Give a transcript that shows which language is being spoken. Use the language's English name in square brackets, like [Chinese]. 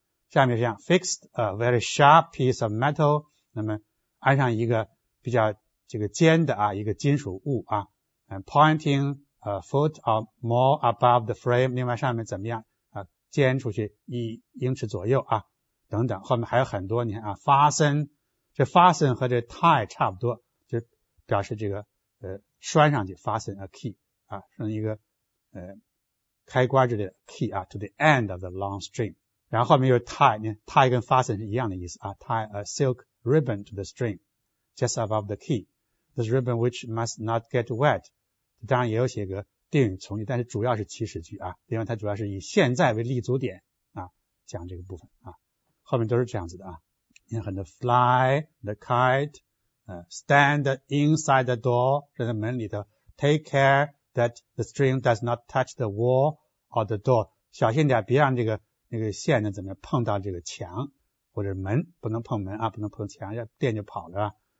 [Chinese] 下面是这样 [English] fixed a very sharp piece of metal， [Chinese] 那么安上一个比较这个尖的啊一个金属物啊， [English] and pointinga foot or more above the frame， [Chinese] 另外上面怎么样啊？尖出去一英尺左右啊，等等，后面还有很多。你看啊 ，fasten， 这 fasten 和这 tie 差不多，就表示这个拴上去 ， [English] fasten a key [Chinese] 啊，拴一个开关之类的 key 啊 ， [English] to the end of the long string。 [Chinese] 然后后面又 [English] tie， [Chinese] 你看 tie 跟 fasten 是一样的意思啊 [English] ，tie a silk ribbon to the string just above the key， this ribbon which must not get wet。 [Chinese] 当然也有写个定语从句，但是主要是起始句啊，另外它主要是以现在为立足点啊讲这个部分啊，后面都是这样子的啊。你看很多 [English] fly the kite stand inside the door, [Chinese] 就是门里头 [English] take care that the string does not touch the wall or the door, [Chinese] 小心点别让这个线呢怎么碰到这个墙或者门，不能碰门啊，不能碰墙，要电就跑了。